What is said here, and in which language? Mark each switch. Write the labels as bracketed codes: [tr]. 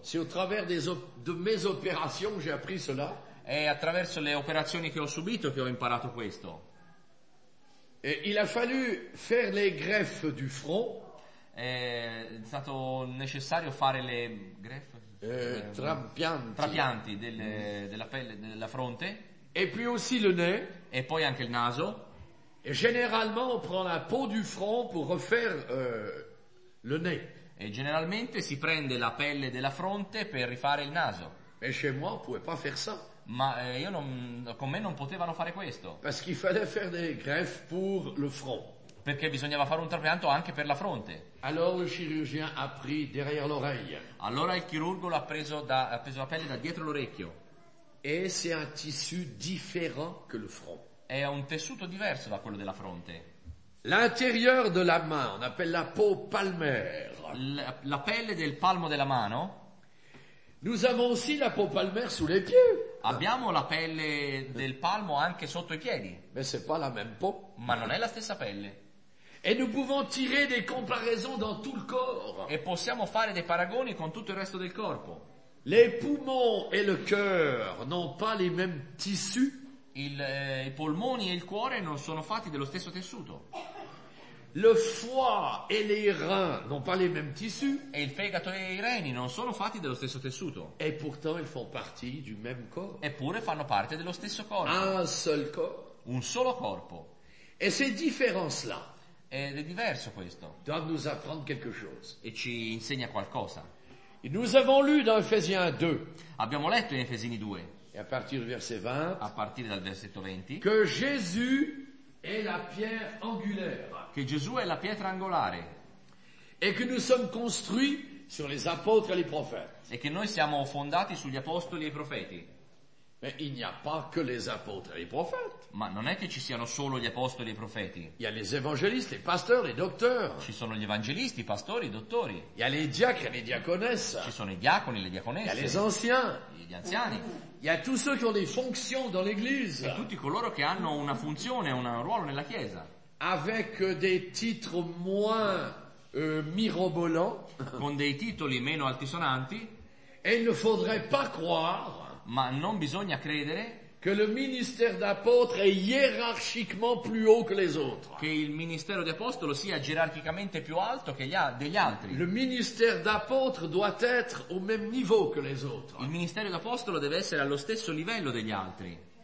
[fr] Si au travers de mes opérations j'ai appris cela. [it] È attraverso le operazioni che ho subito che ho imparato questo. [fr] Et il a fallu faire les greffes du front. [it] È stato necessario fare le greffe trapianti della pelle della fronte. [fr] Et puis aussi le nez. [it] E poi anche il naso. [fr] Et généralement on prend la peau du front pour refaire le nez. [it] E generalmente si prende la pelle della fronte per rifare il naso. [fr] Mais chez moi on pouvait pas faire ça. [it] Ma io non, con me non potevano fare questo. [fr] Parce qu'il fallait faire des greffes pour le front. [it] Perché bisognava fare un trapianto anche per la fronte. [fr] Alors le chirurgien a pris derrière l'oreille. [it] Allora il chirurgo l'ha preso ha preso la pelle da dietro l'orecchio. [fr] Et c'est un tissu différent que le front. [it] È un tessuto diverso da quello della fronte. [fr] L'intérieur de la main, on appelle la peau palmaire. [it] La pelle del palmo della mano. [fr] Nous avons aussi la peau palmaire sous les pieds. [it] Abbiamo la pelle del palmo anche sotto i piedi. [fr] Mais c'est pas la même peau. [it] Ma non è la stessa pelle. [fr] Et nous pouvons tirer des comparaisons dans tout le corps. [it] E possiamo fare dei paragoni con tutto il resto del corpo. [fr] Les poumons et le cœur n'ont pas les mêmes tissus. [it] I polmoni e il cuore non sono fatti dello stesso tessuto. [fr] Le foie et les reins n'ont pas les mêmes tissus. [it] E il fegato e i reni non sono fatti dello stesso tessuto. [fr] Et pourtant ils font partie du même corps. [it] Eppure fanno parte dello stesso corpo. [fr] Un seul corps. [it] Un solo corpo. [fr] Et ces différences-là. [it] Ed è diverso questo. [fr] Doivent nous apprendre quelque chose. [it] E ci insegna qualcosa. [fr] Et nous avons lu dans Ephésiens 2. [it] Abbiamo letto in Efesini 2. [fr] Et à partir du verset 20. [it] A partire dal versetto 20. [fr] Que Jésus est la pierre angulaire. [it] Che Gesù è la pietra angolare. [fr] Et que nous sommes construits sur les apôtres et les prophètes. [it] E che noi siamo fondati sugli apostoli e i profeti. [fr] Mais il n'y a pas que les apôtres et les prophètes. [it] Ma non è che ci siano solo gli apostoli e i profeti. [fr] Il y a les évangélistes, les pasteurs et docteurs. [it] Ci sono gli evangelisti, i pastori, i dottori. [fr] Il y a les diacres et les diaconesses. [it] Ci sono i diaconi e le diaconesse. [fr] Il y a les anciens. [it] Gli anziani. [fr] Il y a tous ceux qui ont des fonctions dans l'église. [it] E tutti coloro che hanno una funzione, un ruolo nella chiesa. [fr] Avec des titres moins mirobolants. [it] Con dei titoli meno altisonanti. [fr] Et il ne faudrait pas croire. [it] Ma non bisogna credere. [fr] Que le ministère d'apôtre est hiérarchiquement plus haut que les autres. [it] Che il ministero di apostolo sia gerarchicamente più alto che degli altri. [fr] Le ministère d'apôtre doit être au même niveau que les autres. [it] Il ministero d'apostolo deve essere allo stesso livello degli altri.